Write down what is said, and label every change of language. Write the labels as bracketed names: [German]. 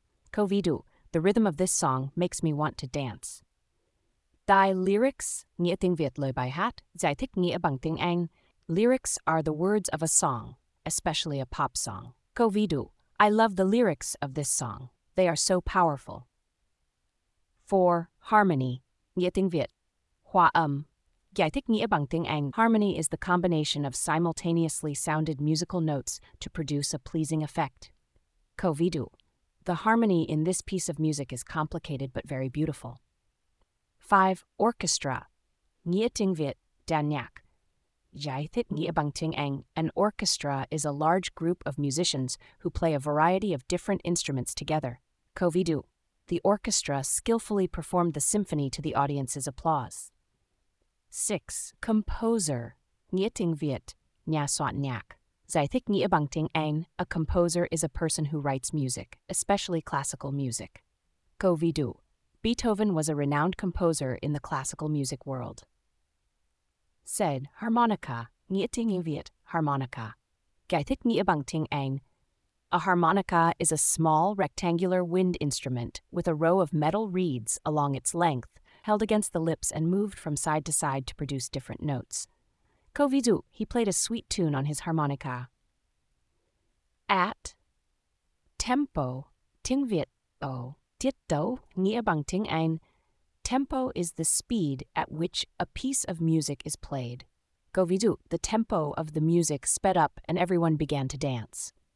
[Vietnamese] Câu ví dụ, [English] the rhythm of this song makes me want to dance. Thy lyrics, [Vietnamese] nghĩa tiếng Việt lời bài hát, giải thích nghĩa bằng tiếng Anh, [English] lyrics are the words of a song, especially a pop song. [Vietnamese] Câu ví dụ, [English] I love the lyrics of this song. They are so powerful. 4. [Vietnamese] Harmony, nghĩa tiếng Việt, hòa âm. Giải thích nghĩa bằng tiếng Anh, [English] harmony is the combination of simultaneously sounded musical notes to produce a pleasing effect. [Vietnamese] Câu ví dụ, [English] the harmony in this piece of music is complicated but very beautiful. 5. [Vietnamese] Orchestra, nghĩa tiếng Việt, đàn nhạc. Giải thích nghĩa bằng tiếng Anh, [English] an orchestra is a large group of musicians who play a variety of different instruments together. [Vietnamese] Câu ví dụ, [English] the orchestra skillfully performed the symphony to the audience's applause. 6. [Vietnamese] Composer, nghĩa tiếng Việt, nhà soạn nhạc. Giải thích nghĩa bằng tiếng Anh, [English] a composer is a person who writes music, especially classical music. [Vietnamese] Câu ví dụ, [English] Beethoven was a renowned composer in the classical music world. 7. [Vietnamese] Harmonica, nghĩa tiếng Việt, harmonica. Giải thích nghĩa bằng tiếng Anh, [English] a harmonica is a small rectangular wind instrument with a row of metal reeds along its length, held against the lips and moved from side to side to produce different notes. [Vietnamese] Câu ví dụ, [English] he played a sweet tune on his harmonica. [Vietnamese] At tempo, tiếng Việt, tiết tấu, nghĩa bằng tiếng Anh. [English] Tempo is the speed at which a piece of music is played. [Vietnamese] Câu ví dụ, [English] the tempo of the music sped up and everyone began to dance.